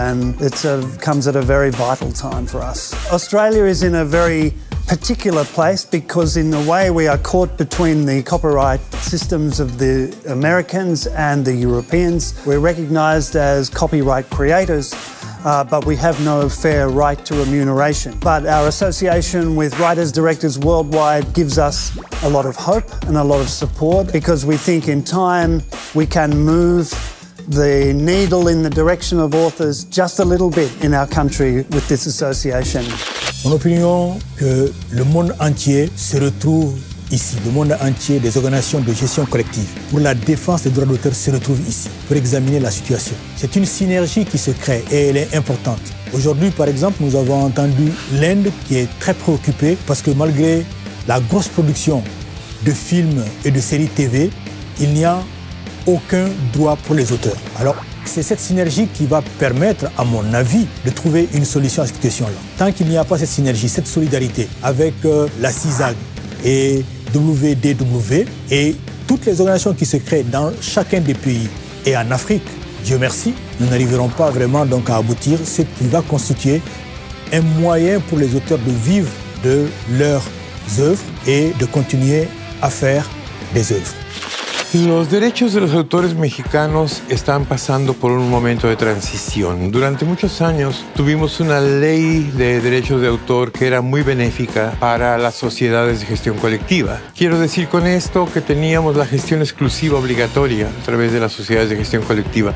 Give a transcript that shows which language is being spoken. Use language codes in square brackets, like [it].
[en] And it comes at a very vital time for us. Australia is in a very particular place because in the way we are caught between the copyright systems of the Americans and the Europeans, we're recognized as copyright creators, but we have no fair right to remuneration. But our association with Writers Directors Worldwide gives us a lot of hope and a lot of support because we think in time we can move the needle in the direction of authors just a little bit in our country with this association. [fr] Mon opinion, que le monde entier se retrouve ici, le monde entier des organisations de gestion collective pour la défense des droits d'auteur se retrouve ici pour examiner la situation. C'est une synergie qui se crée et elle est importante. Aujourd'hui, par exemple, nous avons entendu l'Inde qui est très préoccupée parce que malgré la grosse production de films et de séries TV, il n'y a aucun droit pour les auteurs. Alors, c'est cette synergie qui va permettre, à mon avis, de trouver une solution à cette question-là. Tant qu'il n'y a pas cette synergie, cette solidarité avec la CISAC et W&DW et toutes les organisations qui se créent dans chacun des pays et en Afrique, Dieu merci, nous n'arriverons pas vraiment donc à aboutir ce qui va constituer un moyen pour les auteurs de vivre de leurs œuvres et de continuer à faire des œuvres. [es] Los derechos de los autores mexicanos están pasando por un momento de transición. Durante muchos años tuvimos una ley de derechos de autor que era muy benéfica para las sociedades de gestión colectiva. Quiero decir con esto que teníamos la gestión exclusiva obligatoria a través de las sociedades de gestión colectiva.